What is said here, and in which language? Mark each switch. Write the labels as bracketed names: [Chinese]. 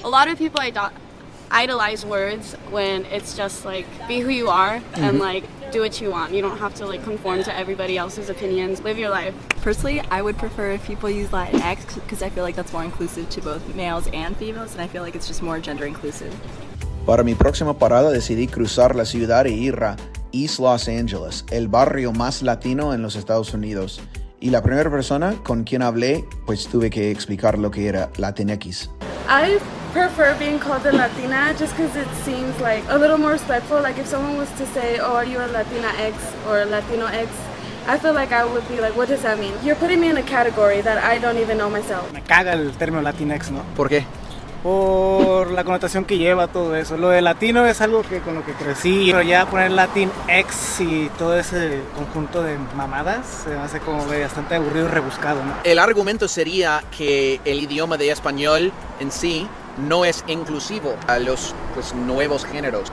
[English] A lot of people idolize words when it's just like, be who you are mm-hmm. and like, do what you want. You don't have to like conform to everybody else's opinions. Live your life. Personally, I would prefer if people use Latinx because I feel like that's more inclusive to both males and females, and I feel like it's just more gender inclusive. [Spanish] Para mi próxima parada decidí cruzar la ciudad e ir a East Los Angeles, el barrio más latino en los Estados Unidos. Y la primera persona con quien hablé, pues tuve que explicar lo que era Latinx. [English] I prefer being called a Latina just because it seems like a little more respectful. Like if someone was to say, oh, are you a Latinx or Latinx? I feel like I would be like, what does that mean? You're putting me in a category that I don't even know myself. [Spanish] Me caga el término Latinx, ¿no? ¿Por qué? Por la connotación que lleva todo eso. Lo de latino es algo que con lo que crecí, pero ya poner Latinx y todo ese conjunto de mamadas se hace como bastante aburrido y rebuscado, ¿no? El argumento sería que el idioma de español en sí no es inclusivo a los pues nuevos géneros.